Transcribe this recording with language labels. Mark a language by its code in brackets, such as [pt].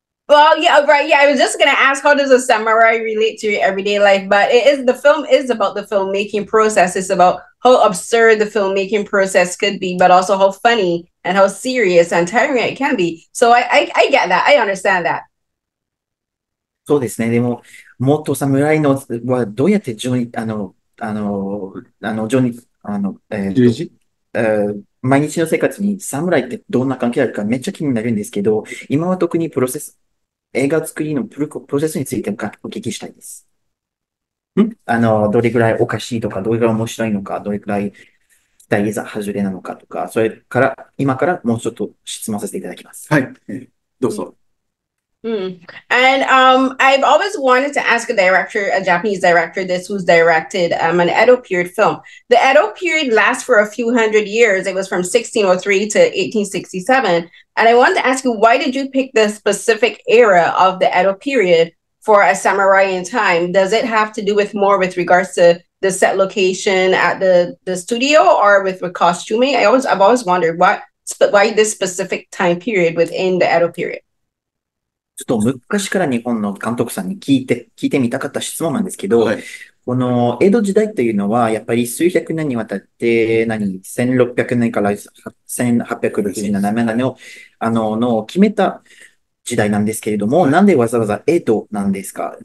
[en] Well, yeah, right. Yeah, I was just going to ask, how does a samurai relate to your everyday life? But the film is about the filmmaking process. It's about how absurd the filmmaking process could be, but also how funny and how serious and tiring it can be. So I get that. I understand that. [ja] そうですね。でも、もっとサムライのはどうやってジョニー、毎日の生活にサムライってどんな関係あるかめっちゃ気になるんですけど、今は特にプロセス、映画作りのプロセスについてお聞きしたいです。どれぐらいおかしいとか、どれぐらい面白いのか、どれぐらい大げさ外れなのかとか、それから今からもうちょっと質問させていただきます。はい、どうぞ。 [en] And I've always wanted to ask a director, a Japanese director, this who's directed an Edo period film. The Edo period lasts for a few hundred years. It was from 1603 to 1867. And I wanted to ask you, why did you pick the specific era of the Edo period? for A Samurai in Time, does it have to do with more with regards to the set location at the studio or with costuming? I've always wondered why this specific time period within the Edo period. [ja] ちょっと昔から日本の監督さんに聞いてみたかった質問なんですけど、はい、この江戸時代というのは、やっぱり数百年にわたって、1600年から1867年の、の決めた時代なんですけれども、はい、なんでわざわざ江戸なんですか？